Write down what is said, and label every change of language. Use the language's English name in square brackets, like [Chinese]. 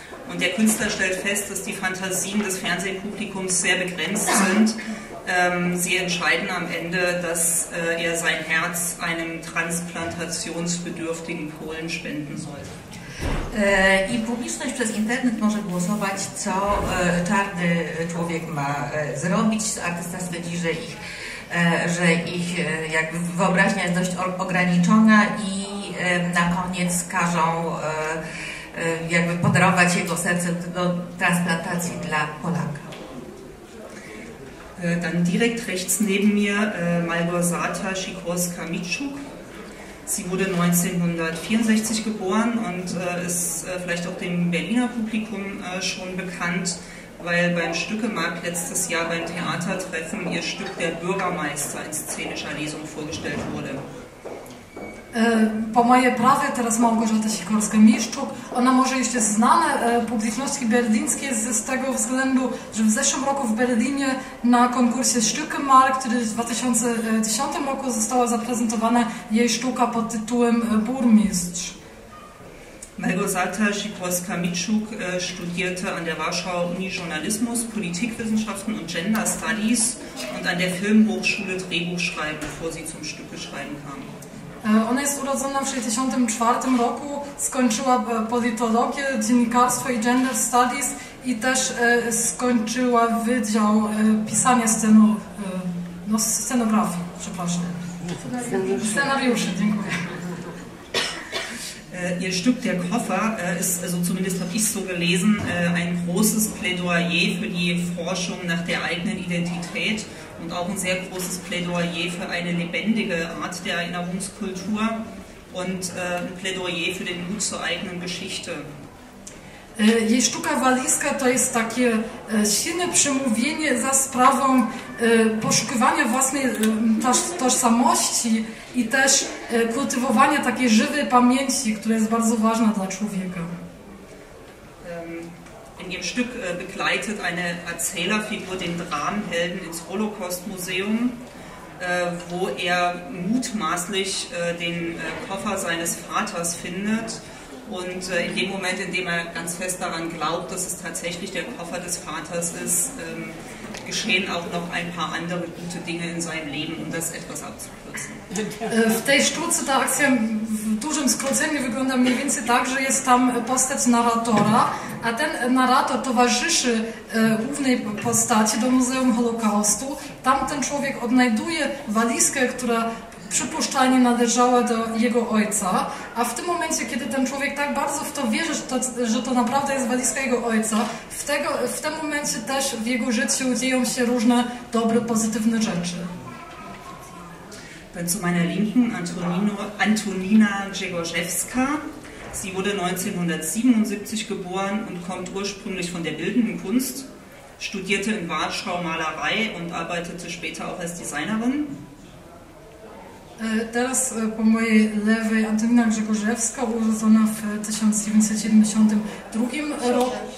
[German] Und der Künstler stellt fest, dass die Fantasien des Fernsehpublikums sehr begrenzt sind. Sie entscheiden am Ende, dass er sein Herz einem transplantationsbedürftigen Polen spenden soll. [Polish] I publiczność przez internet może głosować, co czarny człowiek ma zrobić. Artysta stwierdzi, że ich jakby wyobraźnia jest dość ograniczona i na koniec każą jakby podarować jego serce do transplantacji dla Polaka. [German] Dann direkt rechts neben mir Malgorzata Sikorska-Mitschuk. Sie wurde 1964 geboren und ist vielleicht auch dem Berliner Publikum schon bekannt, weil beim Stückemarkt letztes Jahr beim Theatertreffen ihr Stück Der Bürgermeister in szenischer Lesung vorgestellt wurde. [Polish] Po mojej prawej teraz Małgorzata Sikorska-Mitschuk. Ona może jeszcze jest znana publiczności berlińskiej z tego względu, że w zeszłym roku w Berlinie na konkursie Stückemarkt, który w 2010 roku została zaprezentowana jej sztuka pod tytułem Burmistrz. [German] Małgorzata Sikorska-Mitschuk studierte an der Warschauer Uni Journalismus, Politikwissenschaften und Gender Studies und an der Filmhochschule Drehbuchschreiben, bevor sie zum Stückeschreiben kam. [Polish] Ona jest urodzona w 1964 roku, skończyła politologię, dziennikarstwo i gender studies i też skończyła wydział pisania scenografii, przepraszam. Scenariuszy, dziękuję. [German] Ihr Stück Der Koffer ist, also zumindest habe ich so gelesen, ein großes Plädoyer für die Forschung nach der eigenen Identität und auch ein sehr großes Plädoyer für eine lebendige Art der Erinnerungskultur und ein Plädoyer für den Mut zur eigenen Geschichte. [Polish] Jej sztuka Walizka to jest takie silne przemówienie za sprawą poszukiwania własnej tożsamości i też kultywowania takiej żywej pamięci, która jest bardzo ważna dla człowieka. [German] In ihrem Stück begleitet eine Erzählerfigur den Dramenhelden ins Holocaust-Museum, wo er mutmaßlich den Koffer seines Vaters findet. Und in dem Moment, in dem er ganz fest daran glaubt, dass es tatsächlich der Koffer des Vaters ist, geschehen auch noch ein paar andere gute Dinge in seinem Leben, um das etwas abzukürzen. [Polish] W tej sztuce ta akcja w dużym skróceniu wygląda mniej więcej tak, że jest tam postać narratora, a ten narrator towarzyszy głównej postaci do Muzeum Holokaustu. Tam ten człowiek odnajduje walizkę, która przypuszczalnie należała do jego ojca, a w tym momencie, kiedy ten człowiek tak bardzo w to wierzy, że to naprawdę jest walizka jego ojca, w tym momencie też w jego życiu dzieją się różne dobre, pozytywne rzeczy. [German] Dann zu meiner Linken Antonina Grzegorzewska. Sie wurde 1977 geboren und kommt ursprünglich von der bildenden Kunst, studierte in Warschau Malerei und arbeitete später auch als Designerin. [Polish] Teraz po mojej lewej Antonina Grzegorzewska, urodzona w 1977 roku.